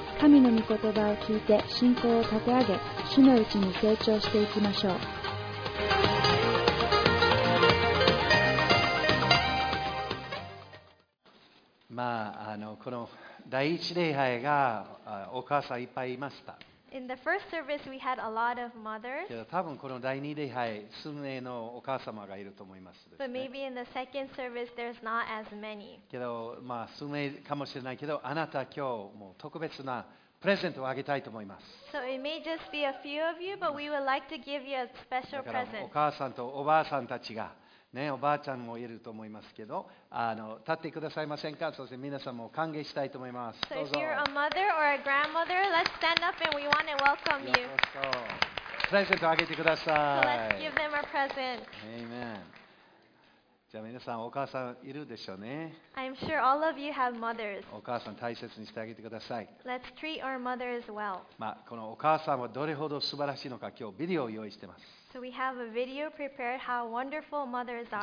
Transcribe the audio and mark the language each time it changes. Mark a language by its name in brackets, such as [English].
[Japanese] 神の御言葉を聞いて信仰を立て上げ、主のうちに成長していきましょう。まあ、この第一礼拝がお母さんいっぱいいました。 [English] In the first service, we had a lot of mothers. [Japanese] 多分この第二礼拝、数名のお母様がいると思います。 [English] But maybe in the second service, there's not as many. [Japanese] けど、まあ数名かもしれないけど、あなた今日もう特別なプレゼントをあげたいと思います。 [English] So it may just be a few of you, but we would like to give you a special present. [Japanese] お母さんとおばあさんたちが、ね、おばあちゃんもいると思いますけど、立ってくださいませんか。そして皆さんも歓迎したいと思います。 [English] So if you're a mother or a grandmother, let's stand up and we want to welcome you. [Japanese] プレゼントあげてください。 [English] So let's give them a present. Amen. [Japanese] じゃあ皆さんお母さんいるでしょうね。 [English] I'm sure all of you have mothers. [Japanese] お母さん大切にしてあげてください。 [English] Let's treat our mother as well. [Japanese] まあこのお母さんはどれほど素晴らしいのか今日ビデオを用意しています。 [English] So we have a video prepared how wonderful mothers are.